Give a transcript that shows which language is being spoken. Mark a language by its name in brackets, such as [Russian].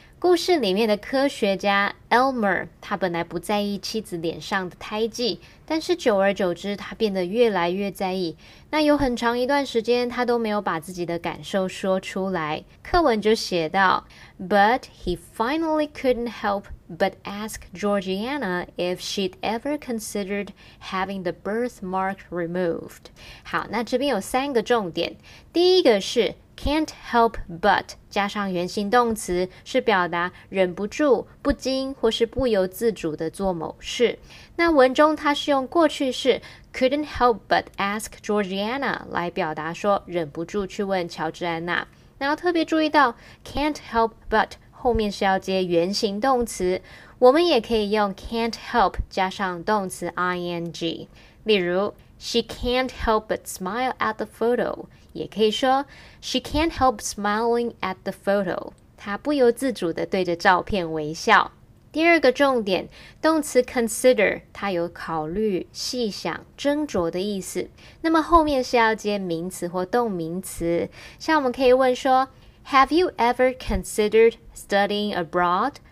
[Chinese] 故事里面的科学家 Elmer， 他本来不在意妻子脸上的胎记，但是久而久之他变得越来越在意。那有很长一段时间他都没有把自己的感受说出来。课文就写到， [English] But he finally couldn't help but ask Georgiana if she'd ever considered having the birthmark removed. [Chinese] 好，那这边有三个重点。第一个是Can't help but 加上原形动词，是表达忍不住、不禁或是不由自主的做某事。那文中它是用过去式 [English] couldn't help but ask Georgiana [Chinese] 来表达说忍不住去问乔治安娜。那要特别注意到 can't help but 后面是要接原形动词，我们也可以用 can't help 加上动词 ing。例如 [English] ，She can't help but smile at the photo。 [Chinese] 也可以说 [English] ，She can't help smiling at the photo。 [Chinese] 她不由自主地对着照片微笑。第二个重点，动词 consider， 它有考虑、细想、斟酌的意思。那么后面是要接名词或动名词。像我们可以问说 [English] ，Have you ever considered studying abroad？